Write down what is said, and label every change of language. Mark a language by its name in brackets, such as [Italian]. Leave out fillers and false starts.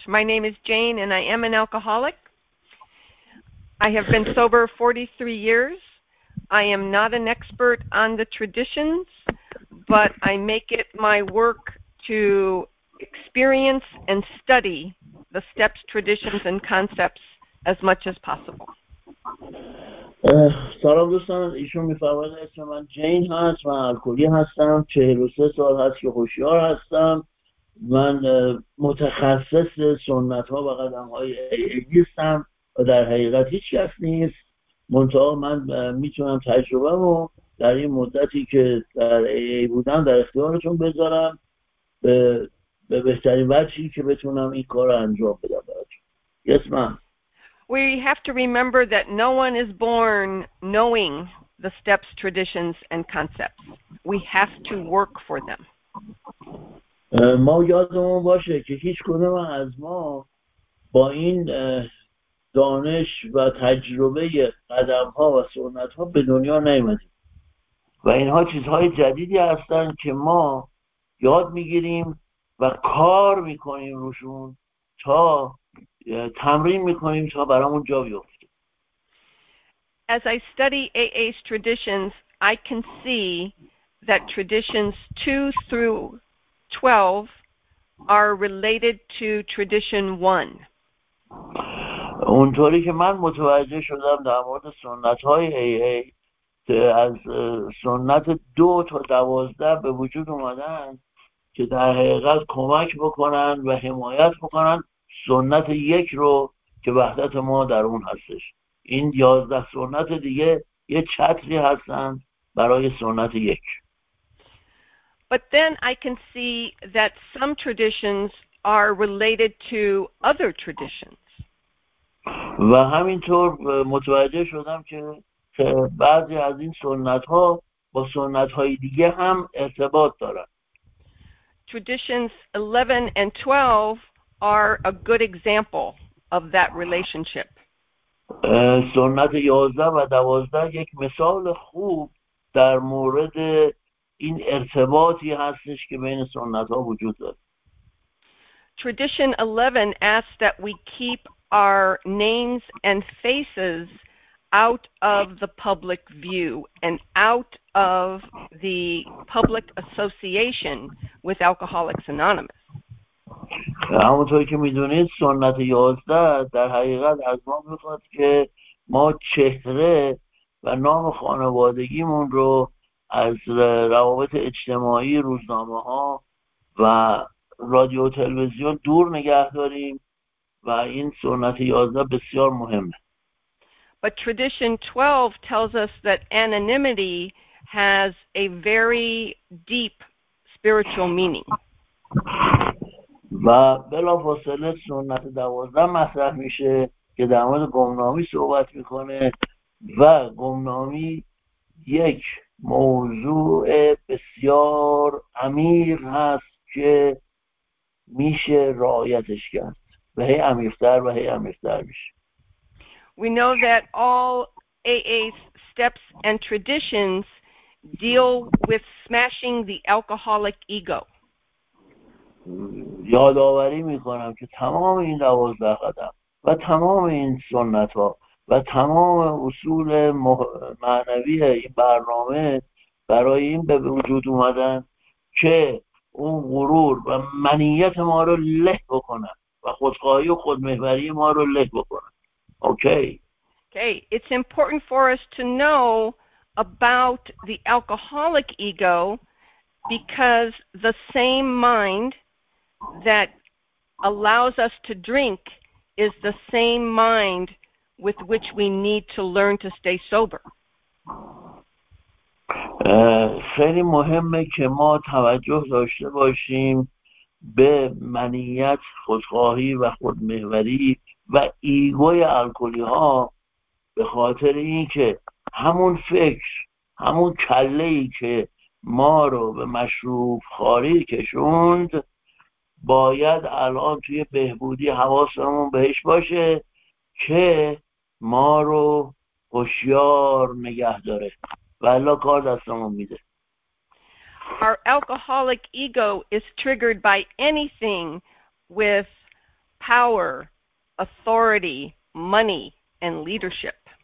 [English] My name is Jane and I am an alcoholic. I have been sober 43 years. I am not an expert on the traditions, but I make it my work to experience and study the steps, traditions, and concepts as much as possible. [Persian] سلام دوستان، ایشون می‌فرماید اسم من جین هست، من الکلی هستم، 43 سال هست که هوشیار هستم. من متخصص سنت‌ها و قدم‌های ایگیستم و در حقیقت هیچ کس نیست، منتها من میتونم تجربه‌مو در این مدتی که در ای بودم در اختیارتون بذارم به بهترین وجهی که بتونم این کار رو انجام بدم براتون. [English] Yes, ma'am. We have to remember that no one is born knowing the steps, traditions, and concepts. We have to work for them. [Persian] ما یادمون باشه که هیچ کدوم از ما با این دانش و تجربه قدم‌ها و سنت‌ها به دنیا نیومدیم. و اینها چیزهای جدیدی هستند که ما یاد میگیریم و کار میکنیم روشون، تا تمرین میکنیم تا برامون جا بیفته. [English] As I study AA's traditions, I can see that traditions 2 through 12 are related to tradition 1. [Persian] اونطوری که من متوجه شدم در مورد سنت های AA، از سنت 2 تا 12 به وجود اومدن که در حقیقت کمک بکنن و حمایت بکنن سنت 1 رو که وحدت ما در اون هستش. این 11 سنت دیگه یه چتری هستن برای سنت 1. [English] But then I can see that some traditions are related to other traditions. [Persian] و همینطور متوجه شدم که بعضی از این سنت ها با سنت های دیگه هم ارتباط دارن. [English] traditions 11 and 12 are a good example of that relationship. [Persian] سنت 11 و 12 یک مثال خوب در مورد این ارتباطی هستش که بین سنت ها وجود داره. [English] Tradition 11 asks that we keep our names and faces out of the public view and out of the public association with Alcoholics Anonymous. [Persian] همونطور که میدونید سنت 11 در حقیقت از ما میخواد که ما چهره و نام خانوادگیمون رو از روابط اجتماعی روزنامه ها و رادیو و تلویزیون دور نگه داریم و این سنت 11 بسیار مهمه. [English] But tradition 12 tells us that anonymity has a very deep spiritual meaning. [Persian] و بلافاصله سنت 12 مطرح میشه که در مورد گمنامی صحبت میکنه و گمنامی یک موضوع بسیار عمیق هست که میشه رعایتش کرد و هی عمیق‌تر و هی عمیق‌تر میشه. [English] We know that all AA's steps and traditions deal with smashing the alcoholic ego. [Persian] یادآوری میکنم که تمام این 12 قدم و تمام این سنت ها و تمام اصول معنوی این برنامه برای این به وجود اومدن که اون غرور و منیت ما رو له بکنن و خودخواهی و خودمحوری ما رو له بکنن. [English] Okay. It's important for us to know about the alcoholic ego because the same mind that allows us to drink is the same mind with which we need to learn to stay sober. [Persian] خیلی مهمه که ما توجه داشته باشیم به منیت، خودخواهی و خودمحوری و ایگوی الکلی ها به خاطر اینکه همون فکر، همون کله‌ای که ما رو به مشروب خاری کشوند باید الان توی بهبودی حواسمون بهش باشه که ما رو هوشیار نگه داره والا کار دستمون میده. [English] Our alcoholic ego is triggered by anything with power, authority, money, and leadership.